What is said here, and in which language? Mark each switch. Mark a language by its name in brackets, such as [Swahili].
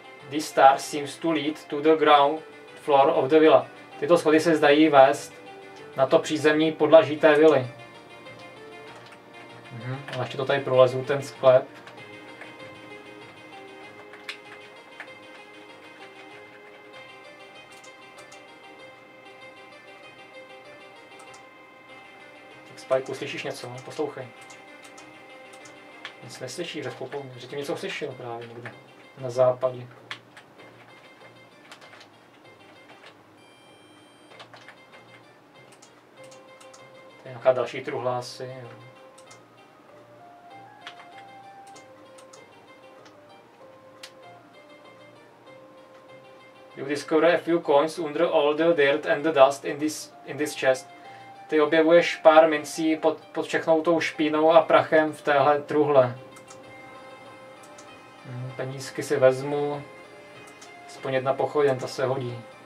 [English] These stairs seem to lead to the ground floor of the villa. [Czech] Tyto schody se zdají vést na to přízemní podlaží té vily. Ale ještě to tady prolezu, ten sklep. Spike, slyšíš něco? Poslouchej. Nic neslyší, že tím něco slyšel právě někde na západě. To je nějaká další truhla asi. [English] You discover a few coins under all the dirt and the dust in this chest. [Czech] Ty objevuješ pár mincí pod všechnou tou špínou a prachem v téhle truhle. Penízky si vezmu. Aspoň jedna pochoděn, ta se hodí.